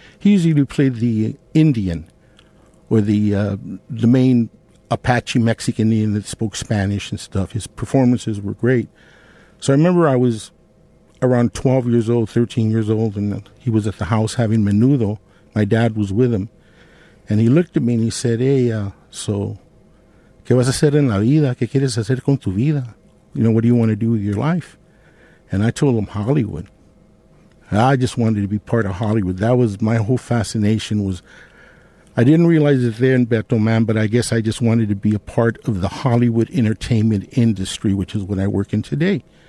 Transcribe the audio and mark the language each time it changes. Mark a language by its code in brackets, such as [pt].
[en] He usually played the Indian, or the main Apache Mexican Indian that spoke Spanish and stuff. His performances were great. So I remember I was around 12 years old, 13 years old, and he was at the house having menudo. My dad was with him. And he looked at me and he said, hey, [es] ¿qué vas a hacer en la vida? ¿Qué quieres hacer con tu vida? [en] You know, what do you want to do with your life? And I told him, Hollywood. I just wanted to be part of Hollywood. That was my whole fascination was, I didn't realize it there in Beto Man, but I guess I just wanted to be a part of the Hollywood entertainment industry, which is what I work in today.